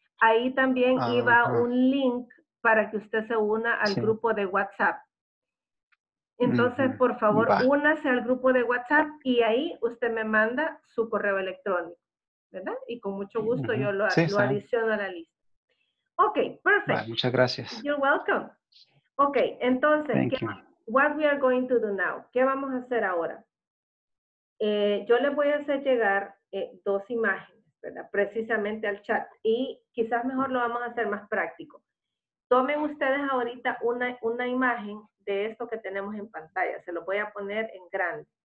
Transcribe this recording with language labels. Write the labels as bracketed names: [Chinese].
[Spanish] Ahí también iba uh-huh. un link para que usted se una al sí. grupo de WhatsApp. Entonces, uh-huh. por favor, va. Únase al grupo de WhatsApp y ahí usted me manda su correo electrónico, ¿verdad? Y con mucho gusto uh-huh. yo lo, sí, lo adiciono a la lista. Ok, perfecto. Vale, muchas gracias. [English] You're welcome. [Spanish] Ok, entonces, [English] what we are going to do now? [Spanish] ¿Qué vamos a hacer ahora? Yo les voy a hacer llegar dos imágenes, ¿verdad? Precisamente al chat. Y quizás mejor lo vamos a hacer más práctico. Tomen ustedes ahorita una imagen de esto que tenemos en pantalla. Se lo voy a poner en grande.